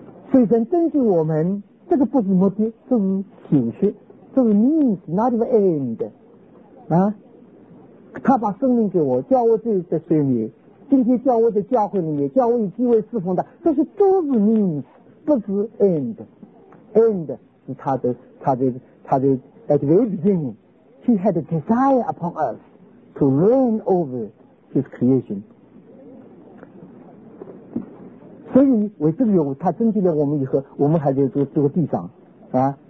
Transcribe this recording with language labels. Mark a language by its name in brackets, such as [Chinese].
[Chinese] 所以神根据我们这个不是目的，这是形式，这是 [English] means, not even end [Chinese] 啊。他把生命给我，叫我自己在睡眠，今天叫我在教会里面，叫我有机会侍奉他，这些都是 means, 不是 end。 [English] end [Chinese] 是他的 [English] at the very beginning, he had a desire upon us to reign over his creation。 [Chinese] 所以为这个缘故，他征集了我们以后，我们还在这个地上啊。